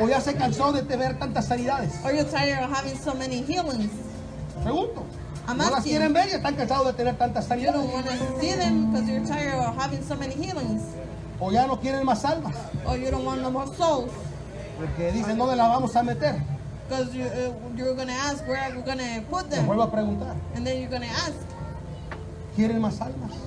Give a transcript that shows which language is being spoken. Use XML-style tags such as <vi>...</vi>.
<es>¿O ya se cansó de ver tantas sanidades?</es> <en>Are you tired of having so many healings?</en> <es>Pregunto.</es> <en>I'm asking,</en> <es>no las quieren ver y están cansados de tener tantas sanidades.</es> <en>You don't want to see them because you're tired of having so many healings.</en> <es>O ya no quieren más almas.</es> <en>Or you don't want no more souls.</en> <es>Porque dicen, ¿dónde las vamos a meter?</es> <en>Because you're going to ask where we're going to put them.</en> <es>Me vuelvo a preguntar.</es> <en>And then you're going to ask.</en> <es>¿Quieren más almas?</es>